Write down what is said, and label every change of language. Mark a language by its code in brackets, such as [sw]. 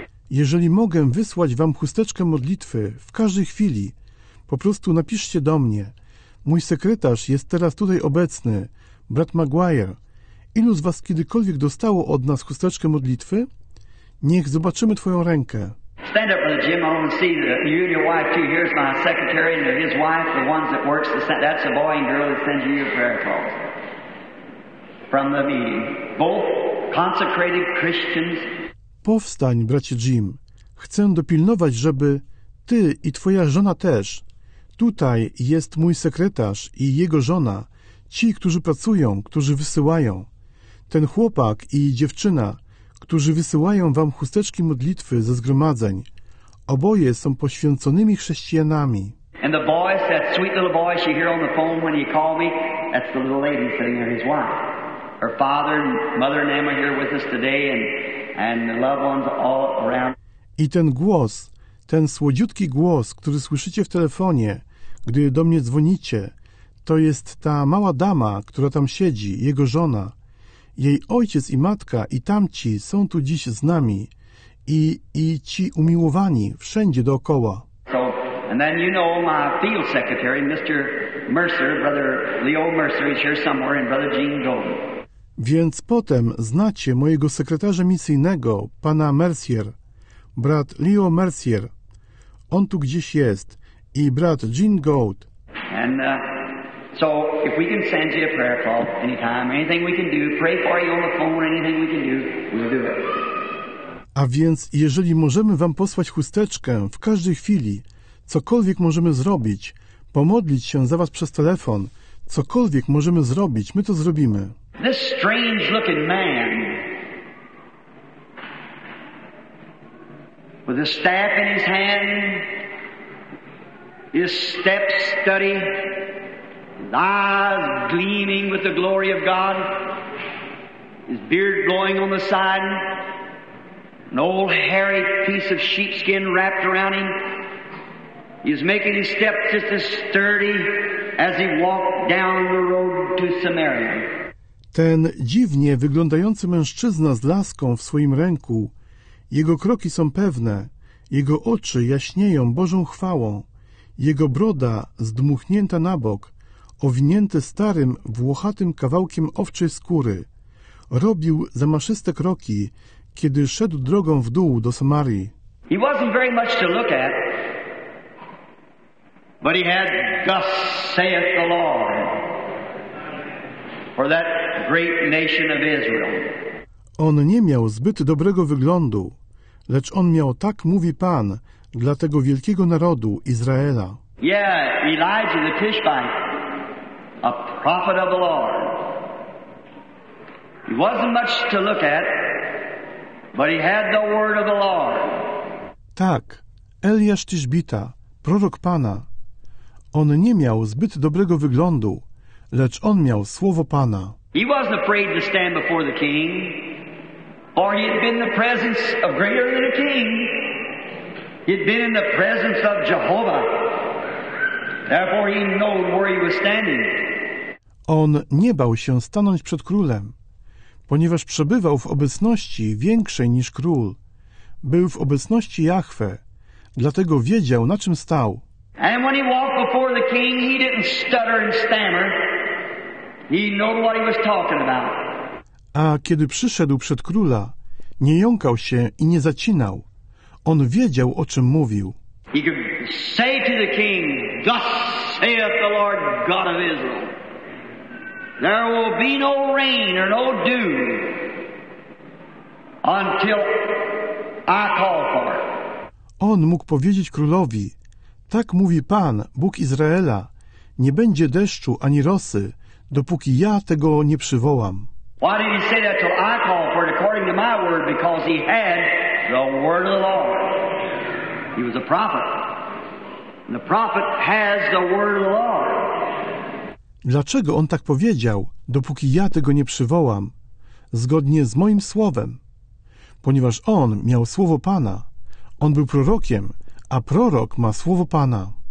[pl] Jeżeli mogę wysłać wam chusteczkę modlitwy w każdej chwili, po prostu napiszcie do mnie. Mój sekretarz jest teraz tutaj obecny, brat Maguire. Ilu z was kiedykolwiek dostało od nas chusteczkę modlitwy? Niech zobaczymy twoją rękę. [en] Stand up, Brother Jim. I want to see you and your wife too. Here's my secretary and his wife, the ones that works. That's a boy and girl that sends you your prayer calls from the meeting. Both. Consecrated Christians. [pl] Powstań, bracie Jim. Chcę dopilnować, żeby ty i twoja żona też. Tutaj jest mój sekretarz i jego żona. Ci, którzy pracują, którzy wysyłają. Ten chłopak i dziewczyna, którzy wysyłają wam chusteczki modlitwy ze zgromadzeń. Oboje są poświęconymi chrześcijanami. [en] And the voice, that sweet little voice you hear on the phone when you call me, that's the little lady sitting there, his wife. Her father and mother and them are here with us today, and the loved ones all around. [pl] I ten głos, ten słodziutki głos, który słyszycie w telefonie, gdy do mnie dzwonicie, to jest ta mała dama, która tam siedzi, jego żona. Jej ojciec i matka i tamci są tu dziś z nami i ci umiłowani wszędzie dookoła. [en] So, and then you know my field secretary, Mr. Mercer, Brother Leo Mercer is here somewhere, and Brother Gene Golden. [pl] Więc potem znacie mojego sekretarza misyjnego, pana Mercier, brat Leo Mercier. On tu gdzieś jest i brat Gene Gold. [en] And so if we can send you a prayer call anytime, anything we can do, pray for you on the phone, anything we can do, we'll do it. [pl] A więc jeżeli możemy wam posłać chusteczkę w każdej chwili, cokolwiek możemy zrobić, pomodlić się za was przez telefon, cokolwiek możemy zrobić, my to zrobimy. [en] This strange looking man with a staff in his hand, his steps steady, eyes gleaming with the glory of God, his beard blowing on the side, an old hairy piece of sheepskin wrapped around him. He is making his steps just as sturdy as he walked down the road to Samaria. [pl] Ten dziwnie wyglądający mężczyzna z laską w swoim ręku, jego kroki są pewne, jego oczy jaśnieją Bożą chwałą, jego broda zdmuchnięta na bok, owinięte starym, włochatym kawałkiem owczej skóry, robił zamaszyste kroki, kiedy szedł drogą w dół do Samarii. [en] He wasn't very much to look at, but he had, thus saith the Lord, for that great nation of Israel. [pl] On nie miał zbyt dobrego wyglądu, lecz on miał, tak mówi Pan, dla tego wielkiego narodu Izraela. [en] Yeah, Elijah the Tishbite, a prophet of the Lord. He wasn't much to look at, but he had the word of the Lord. [pl] Tak, Eliasz Tishbita, prorok Pana. On nie miał zbyt dobrego wyglądu, lecz on miał słowo Pana. [en] He wasn't afraid to stand before the king, for he had been in the presence of greater than a king. He had been in the presence of Jehovah. Therefore he knew where he was standing. [pl] On nie bał się stanąć przed królem, ponieważ przebywał w obecności większej niż król. Był w obecności Jahwe, dlatego wiedział, na czym stał. [en] And when he walked before the king, he didn't stutter and stammer. He knew what he was talking about. [pl] A kiedy przyszedł przed króla, nie jąkał się i nie zacinał. On wiedział, o czym mówił. [en] He could say to the king, thus saith the Lord God of Israel. There will be no rain or no dew until I call for it. [pl] On mógł powiedzieć królowi, tak mówi Pan, Bóg Izraela, nie będzie deszczu ani rosy, dopóki ja tego nie przywołam. [en] Why did he say that till I called for it according to my word? Because he had the word of the Lord. He was a prophet. And the prophet has the word of the Lord. [pl] Dlaczego on tak powiedział, dopóki ja tego nie przywołam, zgodnie z moim słowem? Ponieważ on miał słowo Pana. On był prorokiem, a prorok ma słowo Pana.